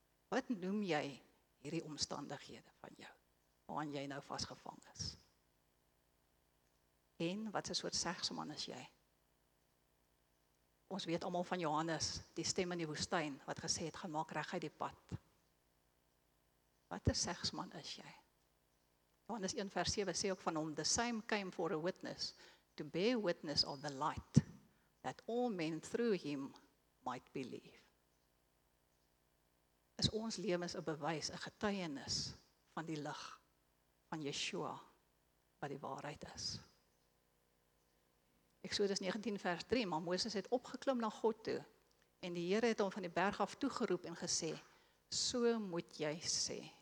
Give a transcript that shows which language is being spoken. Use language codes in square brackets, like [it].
[af] Wat noem jy hierdie omstandighede van jou, waaraan jy nou vasgevang is? En wat is soort segsman is jy? Ons weet allemaal van Johannes, die stem in die woestyn, wat gesê het, gaan maak reg uit die pad. Wat is segsman is jy? Johannes 1 vers 7 sê ook van hom, [en] the same came for a witness, to bear witness of the light, that all men through him might believe. [af] Is ons lewens 'n bewys, 'n getuienis van die lig, van Yeshua, wat die waarheid is? Exodus 19 vers 3, maar Moses het opgeklim na God toe en die Here het hom van die berg af toegeroep en gesê, so moet jy sê.